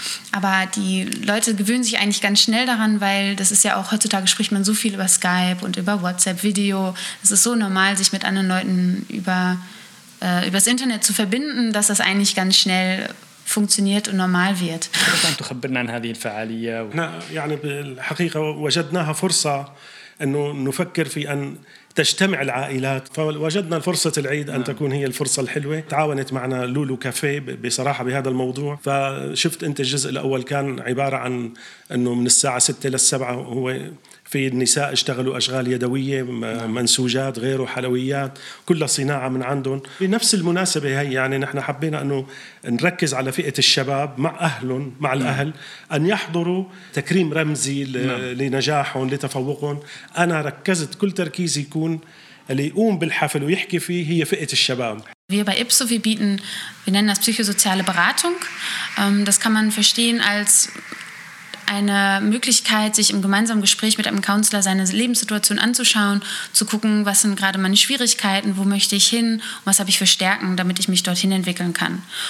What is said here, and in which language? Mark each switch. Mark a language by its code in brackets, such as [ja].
[de] Aber die Leute gewöhnen sich eigentlich ganz schnell daran, weil das ist ja auch, heutzutage spricht man so viel über Skype und über WhatsApp, Video. Es ist so normal, sich mit anderen Leuten übers Internet zu verbinden, dass das eigentlich ganz schnell funktioniert und normal wird. Kannst du uns über diese Veranstaltung erzählen? [ar] أنه نفكر في أن تجتمع العائلات، فوجدنا فرصة العيد أن تكون هي الفرصة الحلوة. تعاونت معنا لولو كافيه بصراحة بهذا الموضوع. فشفت أنت الجزء الأول كان عبارة عن أنه من الساعة 6 إلى 7 هو في النساء اشتغلوا أشغال يدوية، منسوجات غيره، حلويات، كلها صناعة من عندهم. بنفس المناسبة هي يعني نحن حبينا أنه نركز على فئة الشباب مع أهلهم، مع الأهل، أن يحضروا تكريم رمزي لنجاحهم، لتفوقهم. أنا ركزت كل تركيزي يكون اللي يقوم بالحفل ويحكي فيه هي فئة الشباب. [de] Wir bei IPSO, wir nennen das psychosoziale Beratung. Das kann man verstehen als eine Möglichkeit, sich im gemeinsamen Gespräch mit einem Counselor seine Lebenssituation anzuschauen, zu gucken, was sind gerade meine Schwierigkeiten, wo möchte ich hin, was habe ich für Stärken, damit ich mich dorthin entwickeln kann.